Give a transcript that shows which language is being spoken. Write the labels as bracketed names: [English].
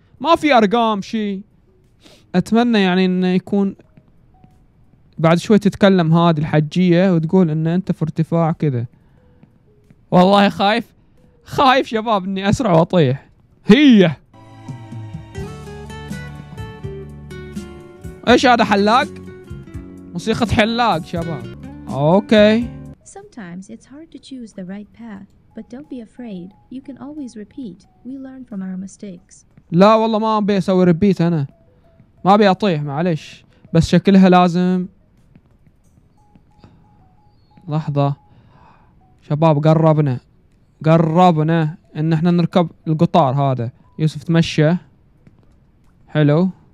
[Arabic] ما في ارقام شيء. اتمنى يعني انه يكون بعد شوي تتكلم هذه الحجيه وتقول ان انت في ارتفاع كذا. والله خايف خايف شباب اني اسرع واطيح. هي ايش هذا؟ حلاق؟ موسيقى حلاق شباب. [English] Okay sometimes it's hard to choose the right path but don't be afraid you can always repeat we learn from our mistakes. [Arabic] لا والله ما ابي اسوي ريبيت، انا ما ابي اطيح معلش. بس شكلها لازم لحظه شباب قربنا قربنا ان احنا نركب القطار هذا. يوسف تمشى حلو.